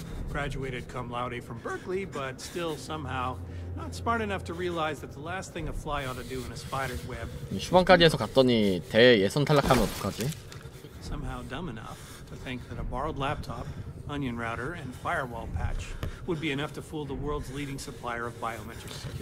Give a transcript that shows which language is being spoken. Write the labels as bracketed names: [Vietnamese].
[English] Graduated cum laude from Berkeley, but still somehow not smart enough to realize that the last thing a fly ought to do in a spider's web. [Korean] 휴방까지 해서 갔더니 대회 예선 탈락하면 어떡하지? [English] Somehow dumb enough to think that a borrowed laptop, onion router and firewall patch would be enough to fool the world's leading supplier of biometric security.